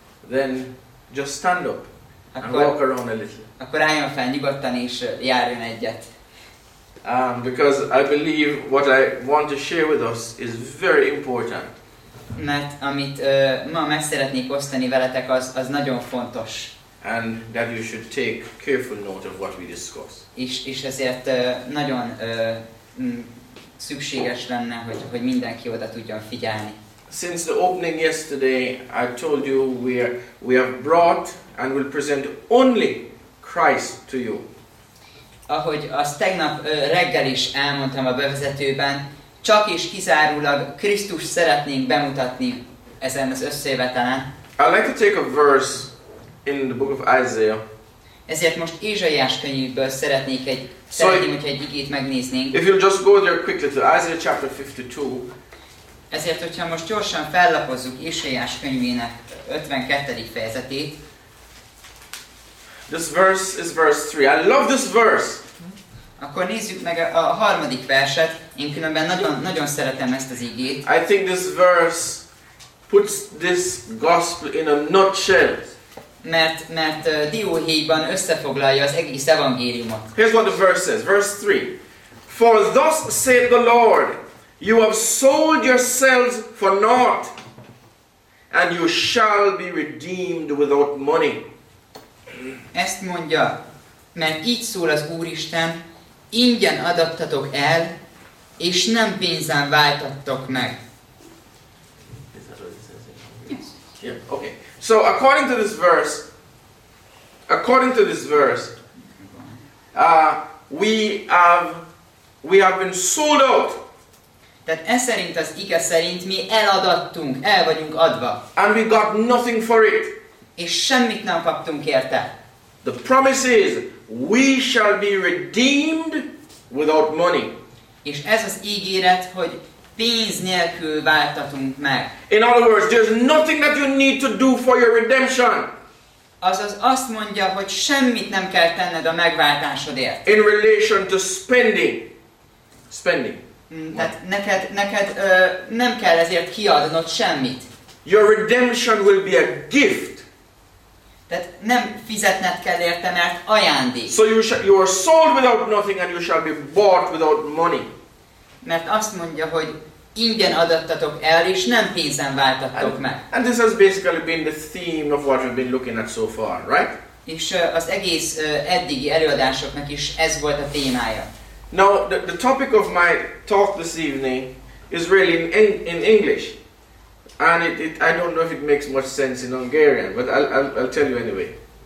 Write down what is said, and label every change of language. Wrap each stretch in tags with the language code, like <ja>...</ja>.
<en>then just stand up and walk around a little.</en> <hu>Akkor álljon fel nyugodtan és járjon egyet.</hu> <en>Because I believe what I want to share with us is very important.</en> <hu>Mert amit ma meg szeretnék osztani veletek, az nagyon fontos.</hu> <en>And that you should take careful note of what we discuss.</en> <hu>És ezért nagyon szükséges lenne, hogy mindenki oda tudjon figyelni.</hu> <en>Since the opening yesterday, I told you we have brought and will present only Christ to you.</en> <hu>Ahogy azt tegnap reggel is elmondtam a bevezetőben, csak és kizárólag Krisztus szeretnénk bemutatni ezen az összejövetelen.</hu> <en>I'd like to take a verse in the book of Isaiah.</en> <hu>Ezért most Ézsaiás könyvből szeretném, hogyha egy igét megnéznénk.</hu> <en>If you'll just go there quickly to Isaiah chapter 52.</en> <hu>Ezért, hogyha most gyorsan fellapozzuk Ézsaiás könyvének 52. fejezetét.</hu> <en>This verse is verse 3. I love this verse!</en> <hu>Akkor nézzük meg a harmadik verset. Én különben nagyon szeretem ezt az igét.</hu> <en>I think this verse puts this gospel in a nutshell.</en> <hu>Mert dióhéjban összefoglalja az egész evangéliumot.</hu> <en>Here's what the verse says. Verse 3. For thus saith the Lord, you have sold yourselves for naught, and you shall be redeemed without money.</en> <hu>Ezt mondja, mert így szól az Úristen, ingyen adattatok el, és nem pénzen váltattok meg.</hu> <en>Is that what it says? Yes. Yeah, okay. So according to this verse, we have been sold out.</en> <hu>Tehát ez szerint, az ige szerint mi eladattunk, el vagyunk adva.</hu> <en>And we got nothing for it.</en> <hu>És semmit nem kaptunk érte.</hu> <en>The promise is, we shall be redeemed without money.</en> <hu>És ez az ígéret, hogy pénz nélkül váltatunk meg.</hu> <en>In other words, there's nothing that you need to do for your redemption.</en> <hu>Azaz azt mondja, hogy semmit nem kell tenned a megváltásodért.</hu> <en>In relation to spending. Spending.</en> <hu>Tehát neked nem kell ezért kiadnod semmit.</hu> <en>Your redemption will be a gift.</en> <hu>Tehát nem fizetned kell érte, mert ajándék.</hu> <en>So you are sold without nothing and you shall be bought without money.</en> <hu>Mert azt mondja, hogy ingyen adattatok el, és nem pénzen váltattok meg.</hu> <en>And this has basically been the theme of what we've been looking at so far, right?</en> <hu>És az egész eddigi előadásoknak is ez volt a témája.</hu> <en>Now, the topic of my talk this evening is really in English. And it I don't know if it makes much sense in Hungarian, but I'll tell you anyway.</en>